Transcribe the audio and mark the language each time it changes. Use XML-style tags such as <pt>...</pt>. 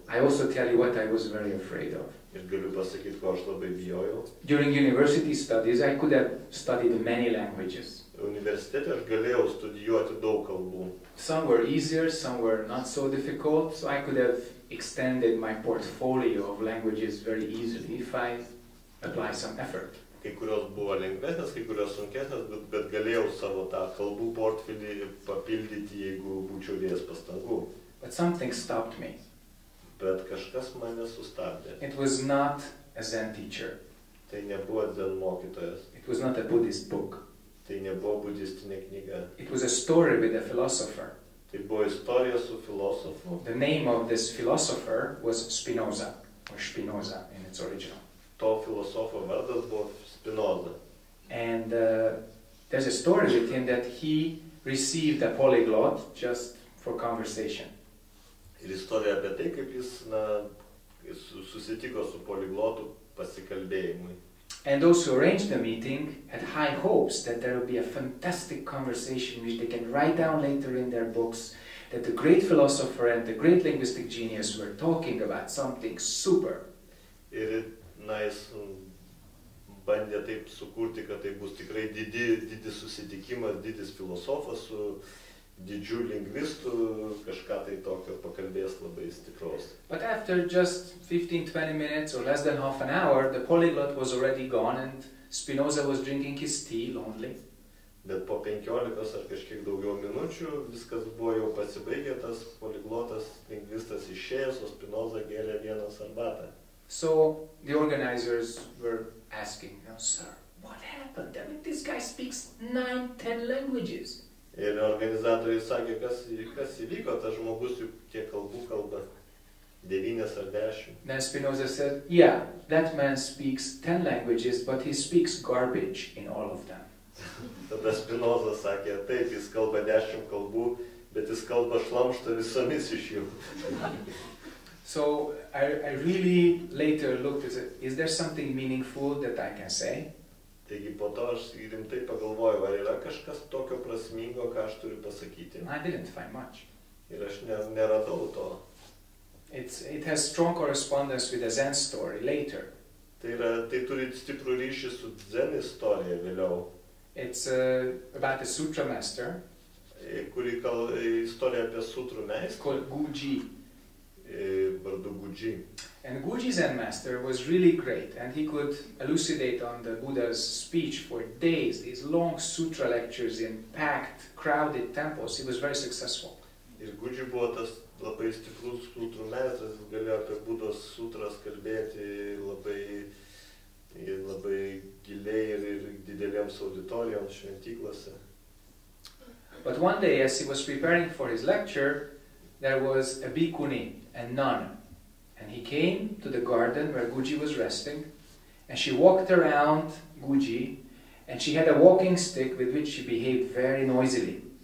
<en>I also tell you what I was very afraid of.</en> <lt>Ir galiu pasakyti, ko aš labai bijojau.</lt> <en>During university studies, I could have studied many languages.</en> <lt>Universitete aš galėjau studijuoti daug kalbų.</lt> <en>Some were easier, some were not so difficult, so I could have extended my portfolio of languages very easily if I apply some effort.</en> <lt>Kai kurios buvo lengvesnės, kai kurios sunkesnės, bet galėjau savo tą kalbų portfelį papildyti, jeigu būčiau dėjęs pastangų.</lt> <en>But something stopped me.</en> <lt>Bet kažkas mane sustabdė.</lt> <en>It was not a Zen teacher.</en> <lt>Tai nebuvo Zen mokytojas.</lt> <en>It was not a Buddhist book.</en> <lt>Tai nebuvo budistinė knyga.</lt> <en>It was a story with a philosopher.</en> <lt>Tai buvo istorija su filosofu.</lt> <en>The name of this philosopher was Spinoza, or Spinoza in its original.</en> <lt>To filosofo vardas buvo Spinoza.</lt> <en>And there's a story with him that he received a polyglot just for conversation.</en> <lt>Ir istorija apie tai, kaip jis susitiko su poliglotu pasikalbėjimui.</lt> <en>And those who arranged the meeting had high hopes that there would be a fantastic conversation which they can write down later in their books, that the great philosopher and the great linguistic genius were talking about something super.</en> <lt>Ir jis bandė taip sukurti, kad tai bus tikrai didis susitikimas, didis filosofas su didžiu lingvistu, kažką tai tokio pakalbės labai stipros.</lt> <en>But after just 15-20 minutes or less than half an hour, the polyglot was already gone and Spinoza was drinking his tea lonely.</en> <lt>Bet po 15 ar kažkiek daugiau minučių viskas buvo jau pasibaigę, tas poliglotas lingvistas išėjęs, o Spinoza gėlė vienas arbatą.</lt> <en>So the organizers were asking, now, sir, what happened? I mean, this guy speaks 9-10 languages.</en> <lt>Ir organizatoriai sakė, kas įvyko, tas žmogus juk tie kalbų kalba 9 ar 10.</lt> <en>Then Spinoza said, yeah, that man speaks 10 languages, but he speaks garbage in all of them.</en> <lt>Tada Spinoza sakė, taip, jis kalba 10 kalbų, bet jis kalba šlamštą visomis iš jų.</lt> <en>So I really later looked and said, is there something meaningful that I can say?</en> <lt>Taigi po to aš rimtai pagalvojau, ar yra kažkas tokio prasmingo, ką aš turiu pasakyti.</lt> <en>I didn't find much.</en> <lt>Ir aš neradau to.</lt> <en>It has strong correspondence with a Zen story later.</en> <lt>Tai turi stiprų ryšį su Zen istorija vėliau.</lt> <en>It's about the Sutra Master.</en> <lt>Kuri istorija apie Sutrų meistrą.</lt> <en>Called Guji.</en> <lt>vardu Gudži.</lt> <en>And Guji Zen master was really great, and he could elucidate on the Buddha's speech for days, these long sutra lectures in packed, crowded temples. He was very successful.</en> <lt>Ir Guji buvo tas labai stiprus sutra meistras, galėjo apie Budos sutras kalbėti labai giliai ir didelėms auditorijoms šventyklose.</lt> <en>But one day, as he was preparing for his lecture, there was a bhikkhuni, a nun. And he came to the garden where Guji was resting, and she walked around Guji, and she had a walking stick with which she behaved very noisily.</en>